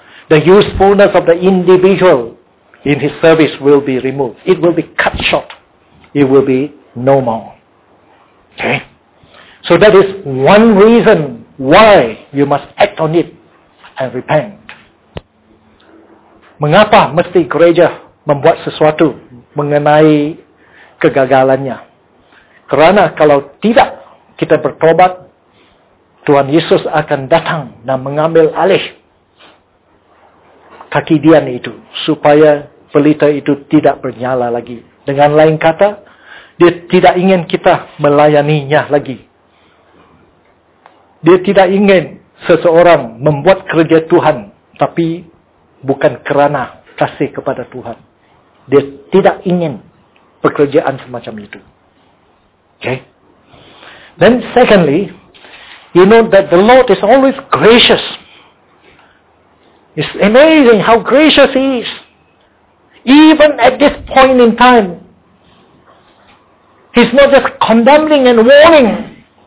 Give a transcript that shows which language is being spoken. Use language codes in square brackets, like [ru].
[en] The usefulness of the individual in his service will be removed. It will be cut short. It will be no more. Okay? So that is one reason why you must act on it and repent. [ms] Mengapa mesti gereja membuat sesuatu mengenai kegagalannya? Karena kalau tidak kita bertobat, Tuhan Yesus akan datang dan mengambil alih kakidian itu supaya pelita itu tidak bernyala lagi. Dengan lain kata, dia tidak ingin kita melayaninya lagi. Dia tidak ingin seseorang membuat kerja Tuhan, tapi bukan kerana kasih kepada Tuhan. Dia tidak ingin pekerjaan semacam itu. [en] Okay? Then secondly, you know that the Lord is always gracious. It's amazing how gracious he is. Even at this point in time, he's not just condemning and warning.